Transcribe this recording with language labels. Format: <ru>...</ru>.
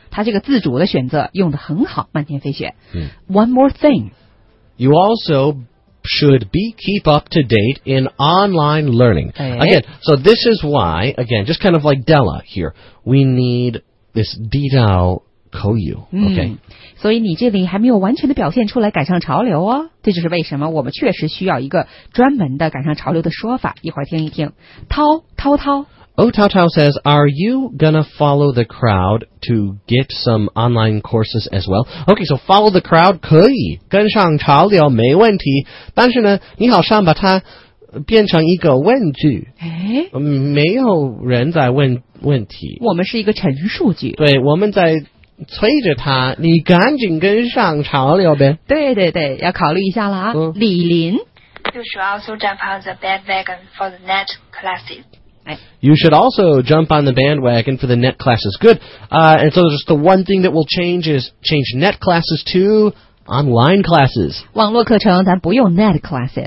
<zh>他这个自主的选择用得很好,漫天飞雪。</zh> <en>One more thing. You also... should be keep up to date in online learning.、 Hey. Again, so this is why, again, just kind of like Della here, we need this</en> <zh>地道口语、</zh> <en>okay?</en> <zh>所以你这里还没有完全的表现出来赶上潮流哦。这就是为什么我们确实需要一个专门的赶上潮流的说法。一会儿听一听。涛涛涛。</zh> <en>Oh, Tao Tao says, are you gonna follow the crowd to get some online courses as well? Okay, so follow the crowd,</en> <zh>可以跟上潮流没问题。但是呢，你好像把它变成一个问句。哎，没有人在问题。我们是一个陈述句。对，我们在催着他，你赶紧跟上潮流呗。对对对，要考虑一下了啊。李林。</zh> <en>You should also jump on the bandwagon for the net classes. You should also jump on the bandwagon for the net classes. Good.、and so just the one thing that will change is change net classes to online classes.</en> <zh>网络课程咱不用 net classes、</zh>